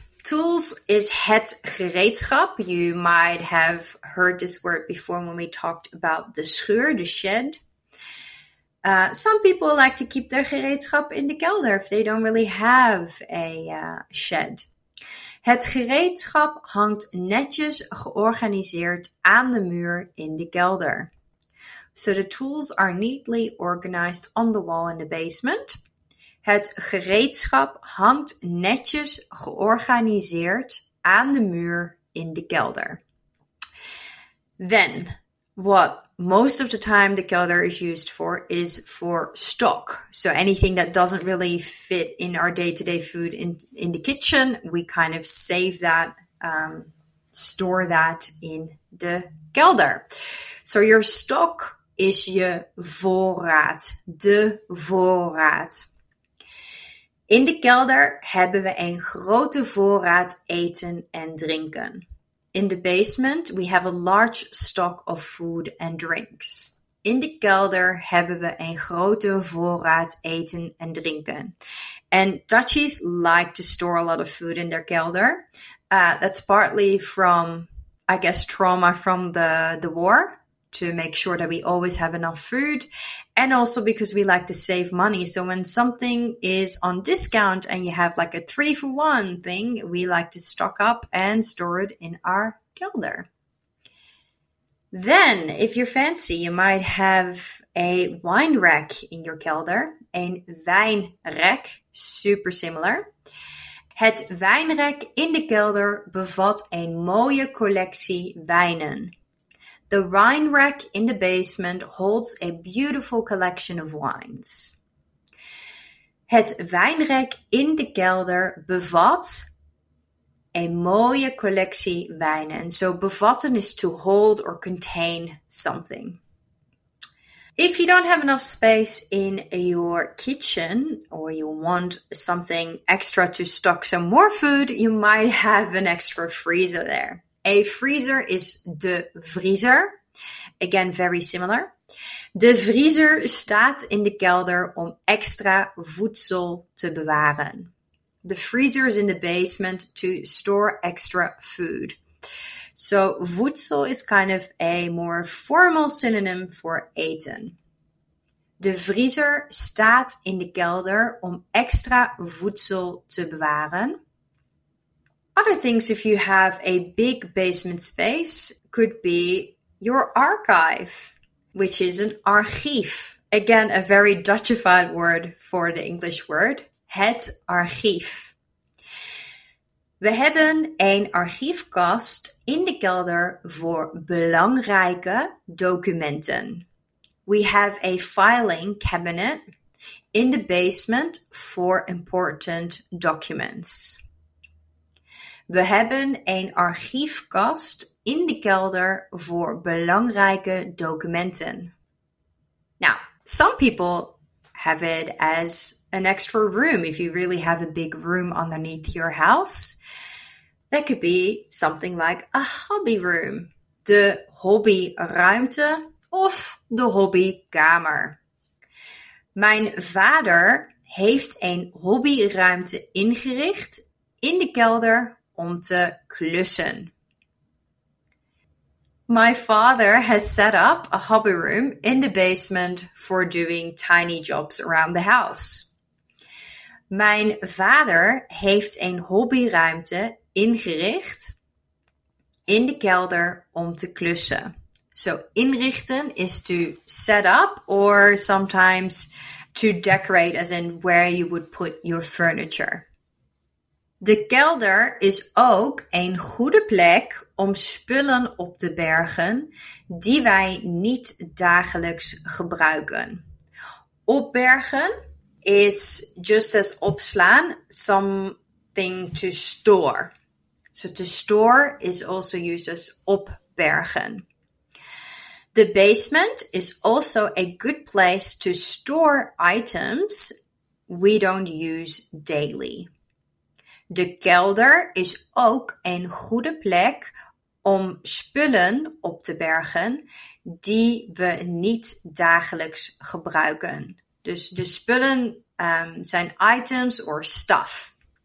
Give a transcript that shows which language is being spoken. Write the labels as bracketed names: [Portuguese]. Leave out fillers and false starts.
[Dutch] Tools is het gereedschap. [English] You might have heard this word before when we talked about the schuur, the shed. Some people like to keep their gereedschap in the kelder if they don't really have a shed. [Dutch] Het gereedschap hangt netjes georganiseerd aan de muur in de kelder. [English] So the tools are neatly organized on the wall in the basement. [Dutch] Het gereedschap hangt netjes georganiseerd aan de muur in de kelder. [English] Then, what most of the time the kelder is used for is for stock. So anything that doesn't really fit in our day-to-day food in the kitchen, we kind of save that, store that in the kelder. So your stock is [Dutch] je voorraad, de voorraad. In de kelder hebben we een grote voorraad eten en drinken. [English] In the basement, we have a large stock of food and drinks. [Dutch] In de kelder hebben we een grote voorraad eten en drinken. [English] And Dutchies like to store a lot of food in their kelder. That's partly from, I guess, trauma from the war, to make sure that we always have enough food. And also because we like to save money. So when something is on discount and you have like a 3-for-1 thing, we like to stock up and store it in our kelder. Then, if you're fancy, you might have a wine rack in your kelder. [Dutch] Een wijnrek, [English] super similar. [Dutch] Het wijnrek in de kelder bevat een mooie collectie wijnen. [English] The wine rack in the basement holds a beautiful collection of wines. [Dutch] Het wijnrek in de kelder bevat een mooie collectie wijnen. [English] So bevatten is to hold or contain something. If you don't have enough space in your kitchen or you want something extra to stock some more food, you might have an extra freezer there. A freezer is [Dutch] de vriezer. [English] Again, very similar. [Dutch] De vriezer staat in de kelder om extra voedsel te bewaren. [English] The freezer is in the basement to store extra food. So voedsel is kind of a more formal synonym for eten. [Dutch] De vriezer staat in de kelder om extra voedsel te bewaren. [English] Other things if you have a big basement space could be your archive, which is an archief. Again, a very Dutchified word for the English word. [Dutch] Het archief. We hebben een archiefkast in de kelder voor belangrijke documenten. [English] We have a filing cabinet in the basement for important documents. [Dutch] We hebben een archiefkast in de kelder voor belangrijke documenten. [English] Now, some people have it as an extra room. If you really have a big room underneath your house, that could be something like a hobby room, [Dutch] de hobbyruimte of de hobbykamer. Mijn vader heeft een hobbyruimte ingericht in de kelder om te klussen. [English] My father has set up a hobby room in the basement for doing tiny jobs around the house. [Dutch] Mijn vader heeft een hobbyruimte ingericht in de kelder om te klussen. [English] So, inrichten is to set up or sometimes to decorate, as in where you would put your furniture. [Dutch] De kelder is ook een goede plek om spullen op te bergen die wij niet dagelijks gebruiken. [English] Opbergen is just as opslaan, something to store. So to store is also used as opbergen. The basement is also a good place to store items we don't use daily. [Dutch] De kelder is ook een goede plek om spullen op te bergen die we niet dagelijks gebruiken. Dus de spullen zijn [English] items or stuff.